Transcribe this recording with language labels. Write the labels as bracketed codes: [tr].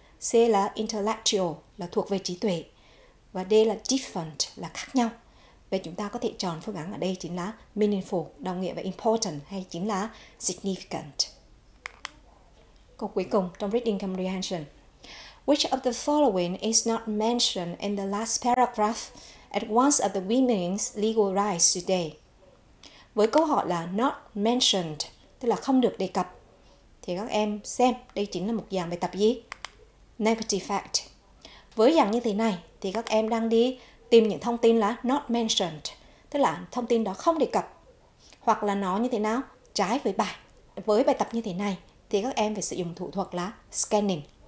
[vi] C là intellectual, là thuộc về trí tuệ. Và D là different, là khác nhau. Vậy chúng ta có thể chọn phương án ở đây chính là meaningful, đồng nghĩa với important, hay chính là significant. Câu cuối cùng trong reading comprehension. [en] Which of the following is not mentioned in the last paragraph at once of the women's legal rights today? [vi] Với câu hỏi là [en] not mentioned, [vi] tức là không được đề cập, thì các em xem đây chính là một dạng bài tập gì? [en] Negative fact. [vi] Với dạng như thế này thì các em đang đi tìm những thông tin là [en] not mentioned, [vi] tức là thông tin đó không đề cập, hoặc là nó như thế nào trái với bài, với bài tập như thế này, thì các em phải sử dụng thủ thuật là scanning.